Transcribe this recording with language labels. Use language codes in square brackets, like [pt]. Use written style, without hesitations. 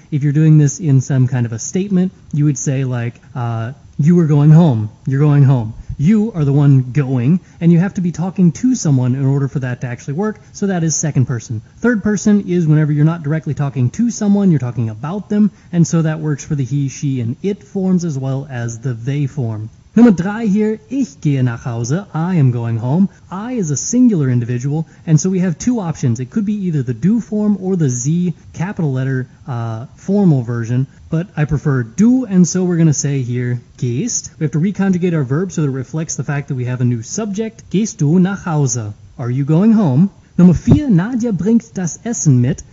[en] If you're doing this in some kind of a statement, you would say like, you are going home. You're going home. You are the one going, and you have to be talking to someone in order for that to actually work, so that is second person. Third person is whenever you're not directly talking to someone, you're talking about them, and so that works for the he, she, and it forms as well as the they form. Number drei here, [de] ich gehe nach Hause, [en] I am going home. I is a singular individual, and so we have two options. It could be either the du form or the Z capital letter formal version, but I prefer du, and so we're going to say here, gehst. We have to reconjugate our verb so that it reflects the fact that we have a new subject. [de] Gehst du nach Hause? [en] Are you going home? Number [de] vier, Nadja bringt das Essen mit.